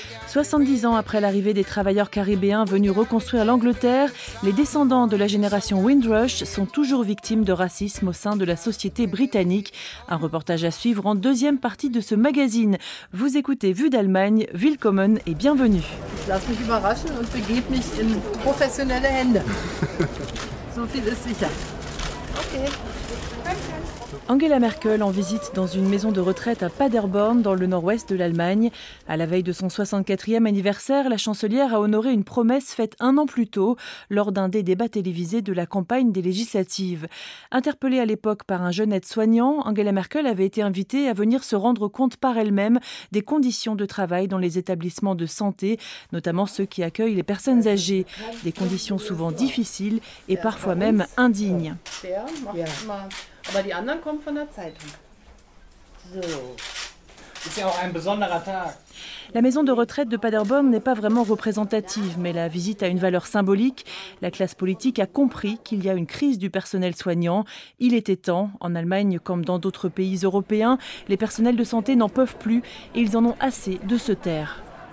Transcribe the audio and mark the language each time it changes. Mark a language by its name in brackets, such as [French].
[French] 70 ans après l'arrivée des travailleurs caribéens venus reconstruire l'Angleterre, les descendants de la génération Windrush sont toujours victimes de racisme au sein de la société britannique. Un reportage à suivre en deuxième partie de ce magazine. Vous écoutez Vue d'Allemagne, willkommen et bienvenue. [German] Ich lasse mich überraschen und begebe mich in professionelle Hände. So viel ist sicher. Okay. [French] Angela Merkel en visite dans une maison de retraite à Paderborn, dans le nord-ouest de l'Allemagne. À la veille de son 64e anniversaire, la chancelière a honoré une promesse faite un an plus tôt, lors d'un des débats télévisés de la campagne des législatives. Interpellée à l'époque par un jeune aide-soignant, Angela Merkel avait été invitée à venir se rendre compte par elle-même des conditions de travail dans les établissements de santé, notamment ceux qui accueillent les personnes âgées. Des conditions souvent difficiles et parfois même indignes. [German] Aber die anderen kommen von der Zeitung. So. Ist ja auch ein besonderer Tag. [French] La maison de retraite de Paderborn n'est pas vraiment représentative, mais la visite a une valeur symbolique. La classe politique a compris qu'il y a une crise du personnel soignant. Il était temps. En Allemagne, comme dans d'autres pays européens, les personnels de santé n'en peuvent plus et ils en ont assez de se taire.